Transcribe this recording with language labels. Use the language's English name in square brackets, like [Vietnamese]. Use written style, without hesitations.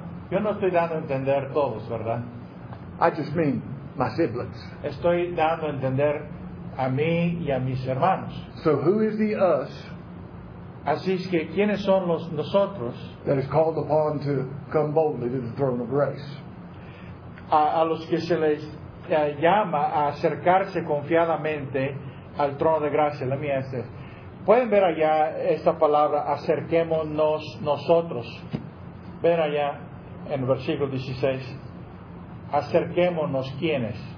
[Spanish] Yo no estoy dando a entender todos, ¿verdad? [English] I just mean my siblings. [Spanish] Estoy dando a entender a mí y a mis hermanos. [English] So who is the us? [Spanish] Así es que ¿quiénes son los nosotros? [English] That is called upon to come boldly to the throne of grace. [Spanish] A los que se les llama a acercarse confiadamente al trono de gracia. [English] Let me ask this. [Spanish] Pueden ver allá esta palabra, acerquémonos nosotros. Ven allá en el versículo 16. Acerquémonos, ¿quiénes?